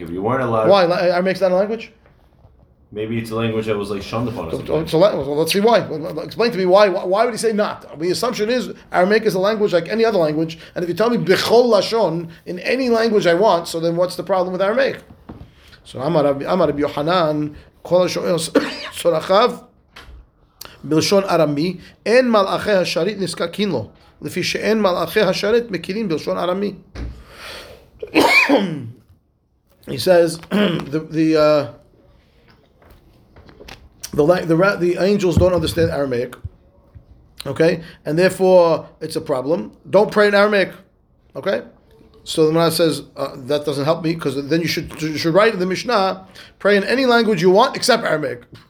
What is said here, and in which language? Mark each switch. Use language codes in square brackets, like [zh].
[en] If you weren't allowed... Why? Aramaic's not a language? Maybe it's a language that was like shunned upon us. Let's see why. Explain to me why. Why would he say not? The assumption is Aramaic is a language like any other language. And if you tell me bechol lashon in any language I want, so then what's the problem with Aramaic? [he] So Amar Rabbi Yohanan kol lashon sorachav בלשון ארמי, אין מלאכי השרית נזקקין לו, לפי שאין מלאכי השרית מכירים בלשון ארמי. [en] He says, the angels don't understand Aramaic, okay? And therefore, it's a problem. Don't pray in Aramaic, okay? So the Mishnah says, that doesn't help me, because then you should write in the Mishnah, pray in any language you want except Aramaic.